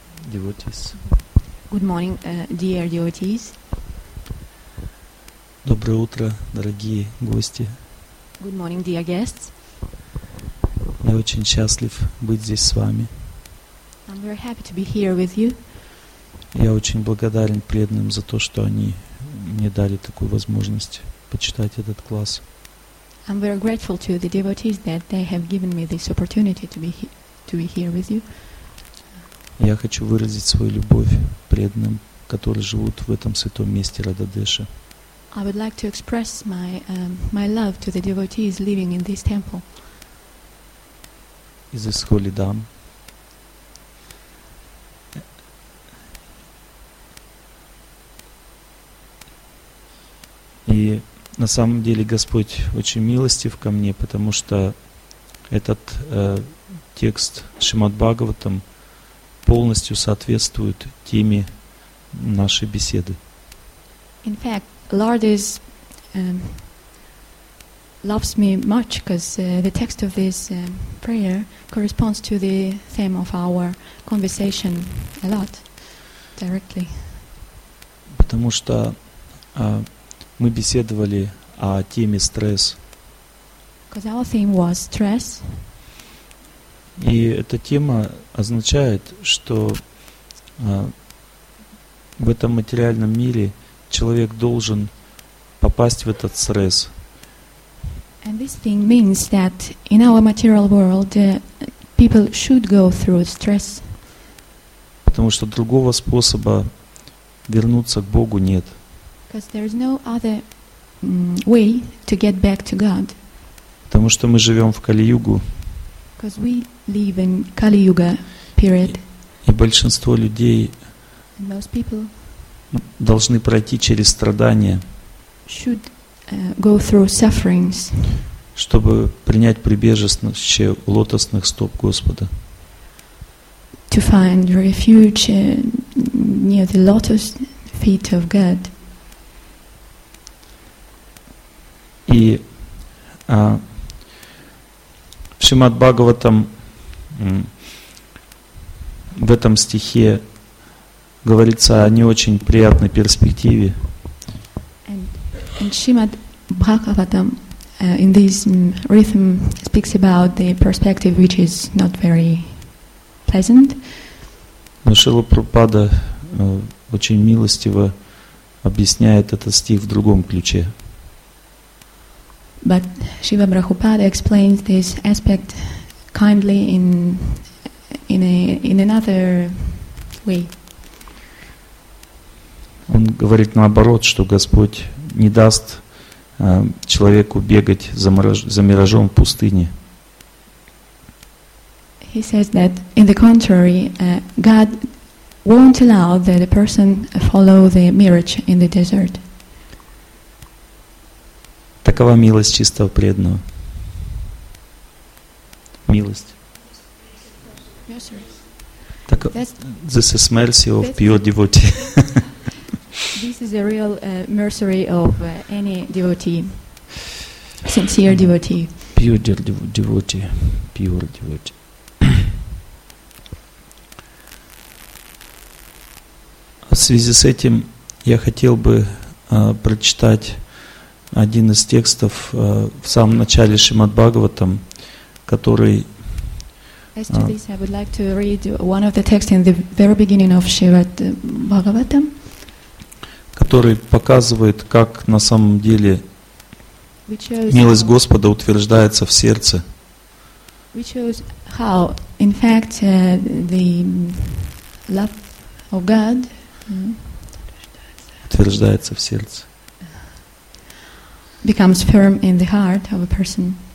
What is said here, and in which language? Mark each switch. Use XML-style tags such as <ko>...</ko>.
<en>Devotees. Good morning, dear devotees.</en> <ru>Доброе утро, дорогие гости.</ru> <en>Good morning, dear guests.</en> <ru>Я очень счастлив быть здесь с вами.</ru> <en>I'm very happy to be here with you.</en> <ru>Я очень благодарен преданным за то, что они мне дали такую возможность почитать этот класс.</ru> <en>I'm very grateful to the devotees that they have given me this opportunity to be here with you.</en> <ru>Я хочу выразить свою любовь преданным, которые живут в этом святом месте Радхадеша.</ru> <en>I would like to express my my love to the devotees living in this temple. Is this holy dam?</en> <ru>И на самом деле Господь очень милостив ко мне, потому что этот текст Шримад-Бхагаватам полностью соответствует теме нашей беседы.</ru> <en>In fact, Lord is loves me much because the text of this prayer corresponds to the theme of our conversation a lot directly.</en> <ru>Потому что мы беседовали о теме стресс.</ru> <en>Because our theme was stress.</en> <ru>И эта тема означает, что в этом материальном мире человек должен попасть в этот стресс.</ru> <en>And this thing means that in our material world people should go through stress.</en> <ru>Потому что другого способа вернуться к Богу нет.</ru> <en>Because there is no other way to get back to God.</en> <ru>Потому что мы живем в Кали-Югу.</ru> <en>Because we live in Kali-Yuga period.</en> <ru>И большинство людей</ru> <en>and most people</en> <ru>должны пройти через страдания,</ru> <en>should go through sufferings,</en> <ru>чтобы принять прибежище у лотосных стоп Господа.</ru> <en>To find refuge near the lotus feet of God.</en> <ru>И в Шримад-Бхагаватам в этом стихе говорится о не очень приятной перспективе.</ru> <en>And Shrimad-Bhagavatam in this rhythm speaks about the perspective which is not very pleasant.</en> <ru>Но Шрила Прабхупада очень милостиво объясняет этот стих в другом ключе.</ru> <en>But Shiva Prabhupada explains this aspect kindly in another way.</en> <ru>Он говорит наоборот, что Господь не даст человеку бегать за миражом в пустыне.</ru> <en>He says that in the contrary, God won't allow that a person follow the mirage in the desert.</en> <ru>Такова милость чистого преданного. Милость. Так,</ru> <en>this is mercy of pure devotee. This is a real mercy of any devotee. Sincere devotee. Pure devotee. Pure devotee.</en> <ru>В связи с этим я хотел бы прочитать один из текстов в самом начале Шримад-Бхагаватам, который...</ru> <en>As to this, I would like to read one of the texts in the very beginning of Shrimad-Bhagavatam.</en> <ru>Который показывает, как на самом деле милость Господа утверждается в сердце.</ru> <en>Which shows how, in fact, the love of God</en> <ru>утверждается в сердце.</ru> <en>Becomes firm in the heart of a person.</en>